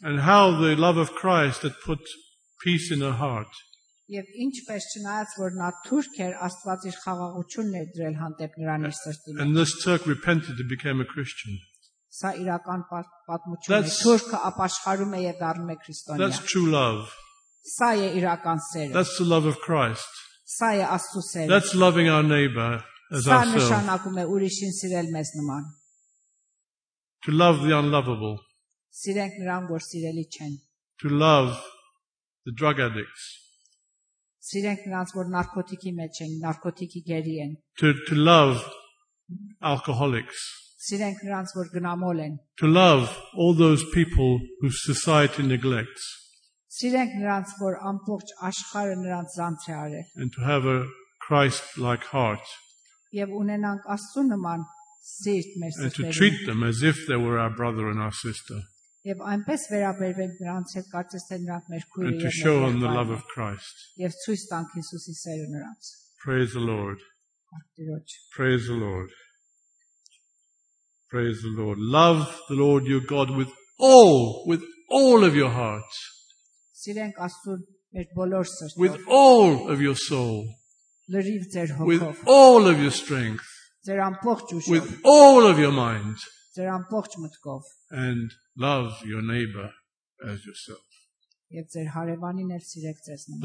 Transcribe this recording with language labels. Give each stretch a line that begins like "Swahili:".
English: And how the love of Christ had put peace in her heart.
Armenian: Եվ ինչպես չնայած որ նա թուրք էր, Աստված իր խաղաղությունն է դրել հանդեպ նրան իր սրտին։
English: And this Turk repented and became a Christian.
Armenian: Սա իրական պատմություն է։ Թուրքը ապաշխարում է եւ դառնում է քրիստոնյա։
English: That's true love.
Armenian: Սա է իրական սերը։
English: That's the love of Christ.
Armenian: Սա է Աստծո սերը։
English: That's loving our neighbor as ourselves.
Armenian: Սա նշանակում է ուրիշին սիրել մեզ նման։
English: To love the unlovable.
Armenian: Սիրենք նրան, որ սիրելի չեն։
English: To love the drug addicts.
Armenian: Սիրենք նրանց, որ նարկոտիկի մեջ են, նարկոտիկի գերի են։
English: To love alcoholics.
Armenian: Սիրենք նրանց, որ գնամոլ են։
English: To love all those people whose society neglects.
Armenian: Սիրենք նրանց, որ ամբողջ աշխարհը նրանց զանց է արել։
English: And to have a Christ-like heart.
Armenian: Եվ ունենանք Աստծո նման սիրտ մեր սիրտերում։
English: And to treat them as if they were our brother and our sister.
Armenian: Եվ այնպես վերաբերվենք նրանց հետ, կարծես թե նրանք մեր քույրերն են։
English: And to show them the love of Christ.
Armenian: Եվ ցույց տանք Հիսուսի սերը նրանց։
English: Praise the Lord. Praise the Lord. Praise the Lord. Love the Lord your God with all of your heart.
Armenian: Սիրենք Աստծուն մեր բոլոր սրտով։
English: With all of your soul.
Armenian: Լրիվ ձեր հոգով։
English: With all of your strength.
Armenian: Ձեր ամբողջ ուժով։
English: With all of your mind.
Armenian: Ձեր ամբողջ մտքով։
English: And love your neighbor as yourself.
Armenian: Եվ ձեր հարևանին էլ սիրեք ձեզ նման։